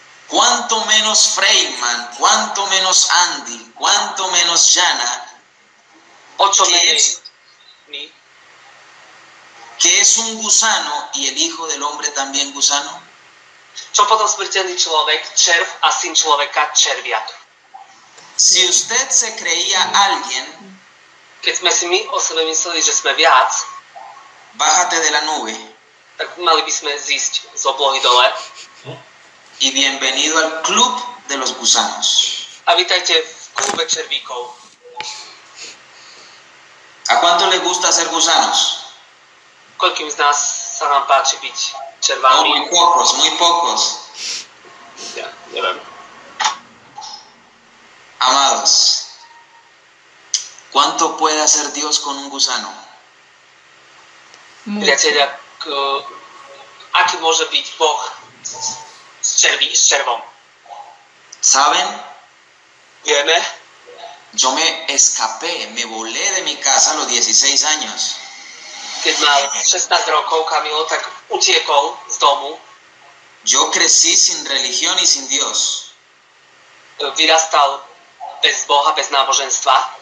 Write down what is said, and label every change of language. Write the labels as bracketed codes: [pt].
[es] Cuanto menos Freeman, cuanto menos Andy, cuanto menos Jana. Ocho menos mi. Que es un gusano y el hijo del hombre también gusano. [sk] Čo potom smrteľný človek, červ a syn človeka, červiak. [es] Si usted se creía alguien, [sk] keď sme si my o sebe mysleli, že sme viac, [es] bájate de la nube, [sk] tak mali by sme zísť z oblohy dole. [es] Y bienvenido al club de los gusanos. [sk] A vítajte v klube červíkov. [es] ¿A cuánto le gusta ser gusanos? [sk] Koľkým z nás sa nám páči byť červami? [es] Muy pocos, muy pocos. Ja, amados, ¿cuánto puede hacer Dios con un gusano? [sk] Priateľa, aký môže byť Boh s červom? [es] ¿Saben? [sk] ¿Vieme? [es] Yo me escapé, me volé de mi casa a los 16 años. [sk] Keď mal 16 rokov, Kamilo, tak utiekol z domu. [es] Yo crecí sin religión y sin Dios. [sk] Vyrastal bez Boha, bez náboženstva.